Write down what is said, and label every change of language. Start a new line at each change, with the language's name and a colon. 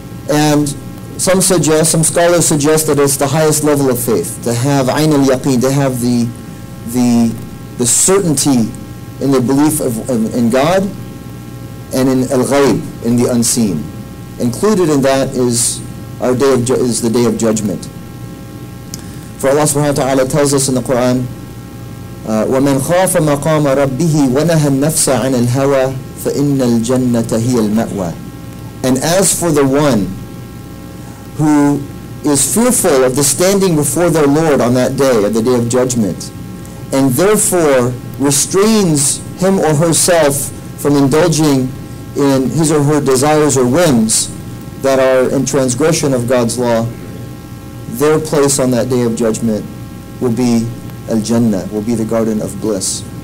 English: And some scholars suggest that it's the highest level of faith, to have ayn al-yaqeen, to have the certainty in the belief in God and in al-ghayb, in the unseen. Included in that is is the day of judgment. For Allah subhanahu wa ta'ala tells us in the Quran,
Arabic: وَمَنْ خَافَ مَقَامَ رَبِّهِ وَنَهَى النَّفْسَ عَنِ الْهَوَى فَإِنَّ الْجَنَّةَ هِيَ الْمَأْوَى.
English: And as for the one who is fearful of the standing before their Lord on that day, at the day of judgment, and therefore restrains him or herself from indulging in his or her desires or whims that are in transgression of God's law, their place on that day of judgment will be al-Jannah, will be the garden of bliss.